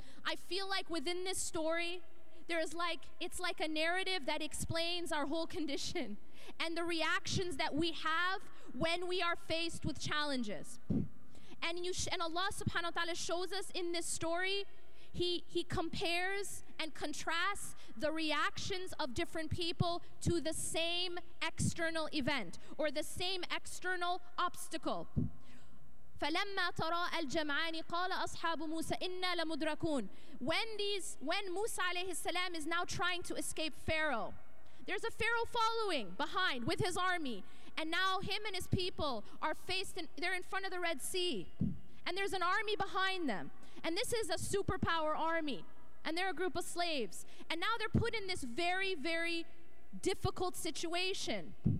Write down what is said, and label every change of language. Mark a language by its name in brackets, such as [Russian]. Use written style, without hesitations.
[English] I feel like within this story, it's like a narrative that explains our whole condition and the reactions that we have when we are faced with challenges. And Allah subhanahu wa ta'ala shows us in this story, he compares and contrasts the reactions of different people to the same external event or the same external obstacle. [Arabic] فلما ترى الجمعان قال أصحاب موسى إنا لمدركون. [English] When [Arabic] موسى عليه السلام [English] is now trying to escape Pharaoh, there's a Pharaoh following behind with his army, and now him and his people are faced in, they're in front of the Red Sea, and there's an army behind them, and this is a superpower army, and they're a group of slaves, and now they're put in this very, very difficult situation.